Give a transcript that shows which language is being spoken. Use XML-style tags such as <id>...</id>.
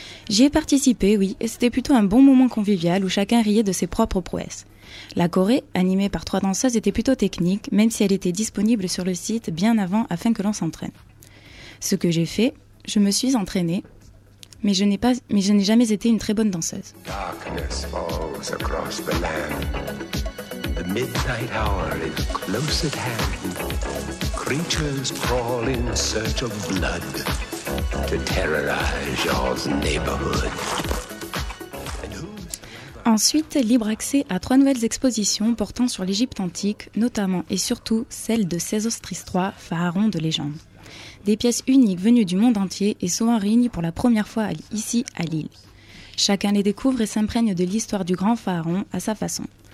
<fr>J'y ai participé, oui, et c'était plutôt un bon moment convivial où chacun riait de ses propres prouesses. La choré, animée par 3 danseuses, était plutôt technique, même si elle était disponible sur le site bien avant afin que l'on s'entraîne. Ce que j'ai fait, je me suis entraînée, mais je n'ai jamais été une très bonne danseuse.</fr> <en>Darkness falls across the land. The midnight hour is close at hand. Creatures crawl in search of blood. To terrorize your neighborhood.</en> <fr>Ensuite, libre accès à 3 nouvelles expositions portant sur l'Égypte antique, notamment et surtout celle de Sésostris III, pharaon de légende. Des pièces uniques venues du monde entier et souvent réunies pour la première fois ici à Lille. Chacun les découvre et s'imprègne de l'histoire du grand pharaon à sa façon.</fr>